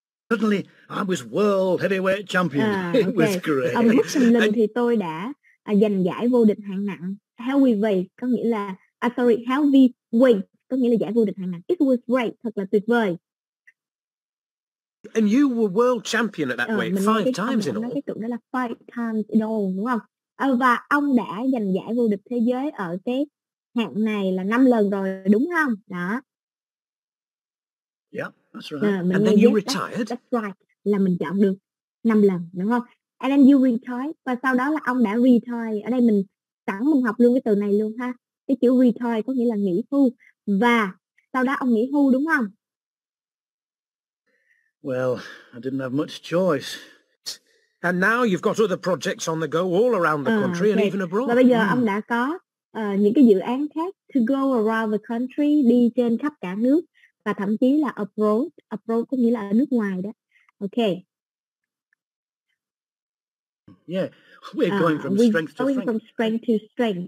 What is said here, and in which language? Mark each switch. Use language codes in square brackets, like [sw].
[en] Suddenly, I was world heavyweight champion. It was great. [vi] Bất thình lình thì tôi đã giành giải vô địch hạng nặng. Heavyweight có nghĩa là, heavyweight có nghĩa là giải vô địch hạng nặng. [en] It was great, [vi] thật là tuyệt vời. [en] And you were world champion at that weight, five times in all. [vi] Cái tụng đó là [en] five times in all, [vi] đúng không? Và ông đã giành giải vô địch thế giới ở cái hạng này là 5 lần rồi, đúng không? Đó. [en] Yeah. That's right. And then you retired. That's right. [vi] Là mình chọn được 5 lần, đúng không? [en] And then you retired. [vi] Và sau đó là ông đã retired. Ở đây mình sẵn mình học luôn cái từ này luôn ha. Cái chữ retired có nghĩa là nghỉ hưu. Và sau đó ông nghỉ hưu, đúng không? [en] Well, I didn't have much choice. And now you've got other projects on the go all around the country and even abroad. [vi] Và bây giờ ông đã có những cái dự án khác [en] to go around the country, [vi] đi trên khắp cả nước. Và thậm chí là abroad. Abroad có nghĩa là ở nước ngoài đó. Ok. [en] Yeah. We're going from strength to strength. From strength to strength.